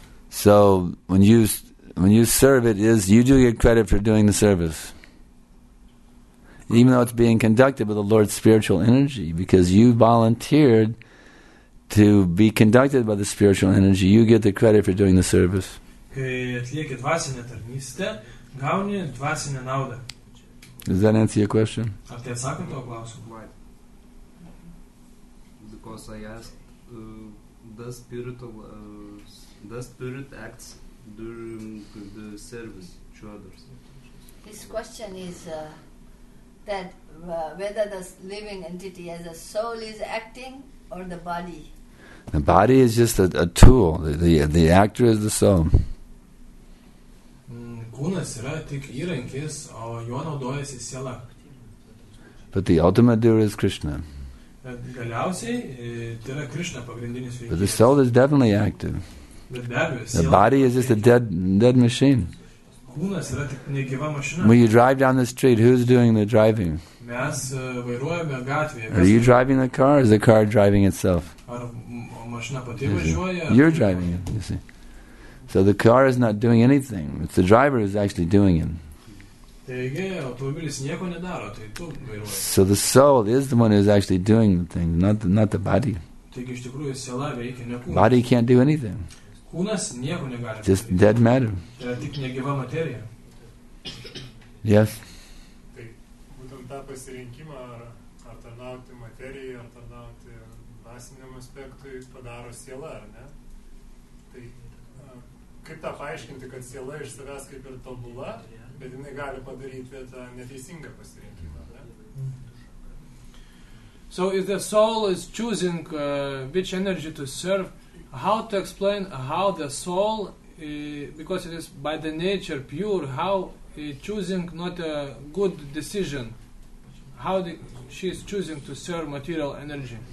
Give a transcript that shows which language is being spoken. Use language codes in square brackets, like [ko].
[en] So, when you serve it is, you do get credit for doing the service. Even though it's being conducted with the Lord's spiritual energy because you volunteered to be conducted by the spiritual energy, you get the credit for doing the service. [lt] Kai atlieki dvasinę tarnystę, gauni dvasinę naudą. [en] Does that answer your question? [lt] Ar tai atsako tavo klausimą? [en] Right. Because I asked, does spirit acts during the service to others? His question is that whether the living entity as a soul is acting or the body. The body is just a tool. The actor is the soul. [lt] Kūnas yra tik įrankis, o juo naudojasi siela. [en] But the ultimate doer is Krishna. [lt] Galiausiai, tai yra Krishna pagrindinis veikėjas. [en] But the soul is definitely active. The body is just a dead machine. [lt] Kūnas yra tik negyva mašina. [en] When you drive down the street, who's doing the driving? [lt] Mes vairuojame gatvėje. [en] Are you driving the car, or is the car driving itself? [lt] Ar mašina pati važiuoja? [en] You're driving it, you see. So the car is not doing anything. It's the driver who is actually doing it. [lt] Taigi, automobilis nieko nedaro, tai tu vairuoji. [en] So the soul is the one who is actually doing the thing, not the body. [lt] Taigi, iš tikrųjų, siela veikia, ne kūnas. [en] Body can't do anything. [lt] Kūnas nieko negali. [en] Just dead matter. [lt] Tai tik negyva materija. [en] Yes. [lt] Tai būtent tą pasirinkimą ar tarnauti materijai, ar tarnauti dvasiniam aspektui padaro siela, ar ne? Tai kaip tą paaiškinti, kad siela iš savęs kaip ir tobula, bet jinai gali padaryti tą neteisingą pasirinkimą. [en] So if the soul is choosing which energy to serve, how to explain how the soul, because it is by the nature pure, how choosing not a good decision, how she is choosing to serve material energy?